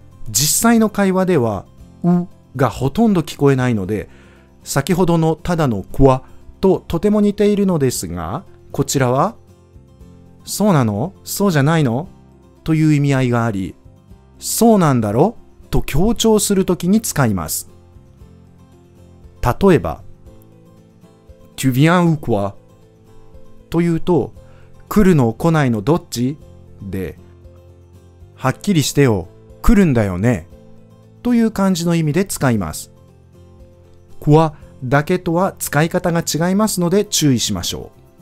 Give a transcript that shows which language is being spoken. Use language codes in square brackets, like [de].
[ja] 実際の会話ではうがほとんど聞こえないので、先ほどのただのこわととても似ているのですが、こちらはそうなの？そうじゃないの？という意味合いがあり、そうなんだろ？と強調するときに使います。例えば [fr] Tu viens ou quoi？ [ja] というと来るの来ないのどっち？ではっきりしてよ、来るんだよねという感じの意味で使います。コアだけとは使い方が違いますので注意しましょう。